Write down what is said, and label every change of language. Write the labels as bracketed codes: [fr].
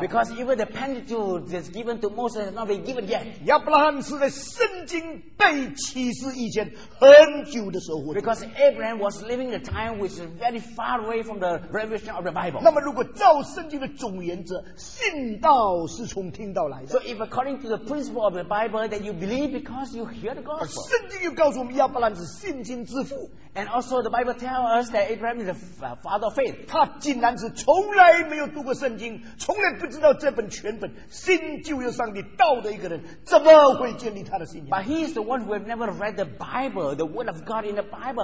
[en] Because even the Pentateuch that's given to Moses has not been given yet. [zh] 亚伯兰是在圣经被启示以前很久的时候。 [en] Because Abraham was living the time which is very far away from the revelation of the Bible. [zh] 那么如果照圣经的总原则，信道是从听到来的。 [en] So if according to the principle of the Bible, that you believe because you hear the gospel. [zh] 圣经又告诉我们，亚伯兰是信心之父。 [en] And also the Bible tells us that Abraham is the father of faith. [zh] 他竟然是从来没有读过圣经，从来不知道这本全本新旧约上帝道的一个人，怎么会建立他的信仰？ [en] But he is the one who has never read the Bible, the word of God in the Bible.